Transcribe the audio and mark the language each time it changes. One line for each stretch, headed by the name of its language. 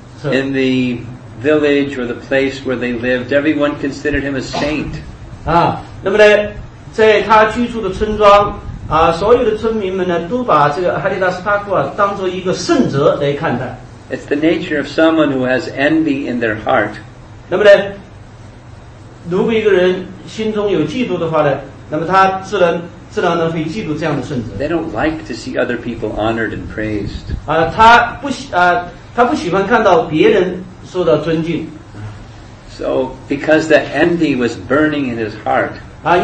English: In the village or the place where they lived, everyone considered him a saint.
Chinese: 那么呢，在他居住的村庄。所有的村民们呢，都把这个哈里达斯塔库当做一个圣者来看待。
English: It's the nature of someone who has envy in their heart.
Chinese: 那么呢，如果一个人心中有嫉妒的话呢，那么他自然会嫉妒这样的圣者。
English: They don't like to see other people honored and praised.
Chinese: 他不喜欢看到别人受到尊敬。
English: So because that envy was burning in his heart.